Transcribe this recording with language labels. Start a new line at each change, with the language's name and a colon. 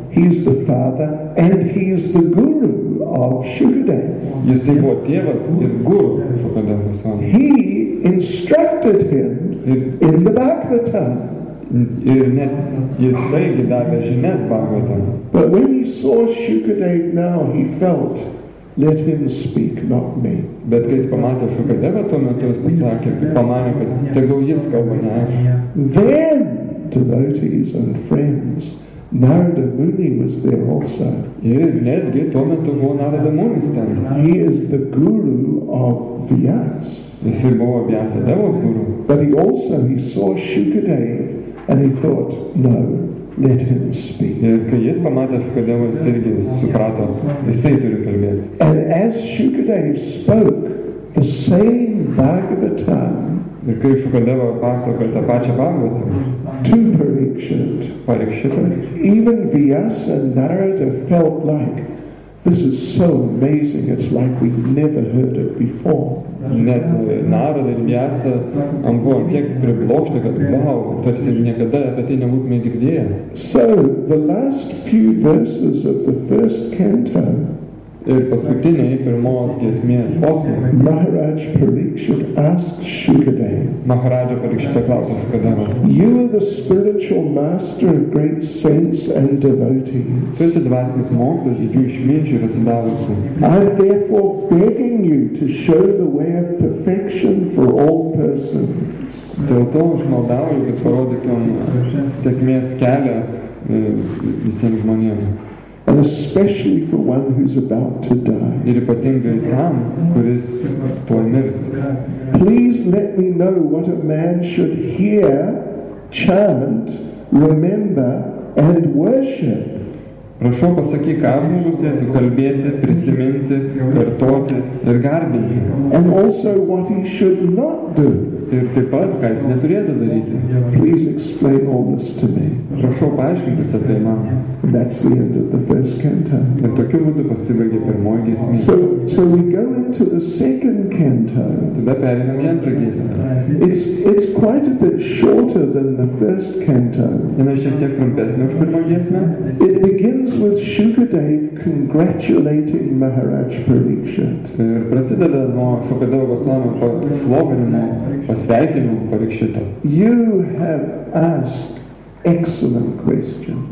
English: He's the father and he is the guru of Shukadeva.
Lithuanian: Jisai buvo tėvas ir guru Shukadeva.
English: He instructed him in the Bhagavatam.
Lithuanian: Ir net jisai davė žinias Bhagavatam.
English: But when he saw Shukadeva now, he felt, let him speak, not me.
Lithuanian: Bet kai jis pamatė Shukadeva tuo metu, jis pasakė, pamanė, kad tegau jis kalba, ne aš.
English: Then devotees and friends, Narada Muni was there also.
Lithuanian: Netgi tuo metu buvo Narada Munis ten.
English: He is the guru of Vyas.
Lithuanian: Jisai buvo Vyasa Devos guru.
English: But he saw Shukadeva and he thought, no, let him speak.
Lithuanian: Ir kai jis pamatė Shukadeva, jis irgi suprato, jisai turi kalbėti.
English: And as Shukadeva spoke, the same Bhagavatam.
Lithuanian: Ir kai Shukadeva pasakė tą pačią Bhagavatam.
English: To Parikshit. Even Vyasa and Narada felt like, this is so amazing, it's like we never heard it before.
Lithuanian: Net Narada ir Vyasa buvo tiek priblokšti, kad wow, tarsi niekada apie tai nebūtume girdėję.
English: So, the last few verses of the first canto,
Lithuanian: ir paskutiniai pirmos giesmės posmai.
English: Maharaj Parikshit asks Shukadeva.
Lithuanian: Maharaja Parikshita klausia Shukadeva.
English: You are the spiritual master of great saints and devotees.
Lithuanian: Tu esi dvasinis mokytojas, didžių išminčių ir atsidavusių.
English: I am therefore begging you to show the way of perfection for all persons.
Lithuanian: Dėl to aš maldauju, kad parodytum sėkmės kelią visiems žmonėms.
English: And especially for one who's about to die.
Lithuanian: Ir ypatingai tam, kuris tuoj mirs.
English: Please let me know what a man should hear, chant, remember and worship.
Lithuanian: Prašau pasakyti, ką žmogus turėtų kalbėti, prisiminti, kartoti ir garbinti.
English: And also what he should not do.
Lithuanian: Ir taip pat, ką jis neturėtų daryti.
English: Please explain all this to me.
Lithuanian: Prašau paaiškinti visą tai man.
English: That's the end of the first canto.
Lithuanian: Ir tokiu būdu pasibaigė pirmoji giesmė.
English: So we go into the second canto.
Lithuanian: Tada pereinam į antrą giesmę.
English: It's quite a bit shorter than the first canto.
Lithuanian: Jis šiek tiek trumpesnė už pirmoji giesmę.
English: It begins with Shukadeva congratulating Maharaj Parikshit.
Lithuanian: Ir prasideda nuo Shukadeva Goswami šlovinimo, pasveikinimo Parikshito.
English: You have asked excellent question.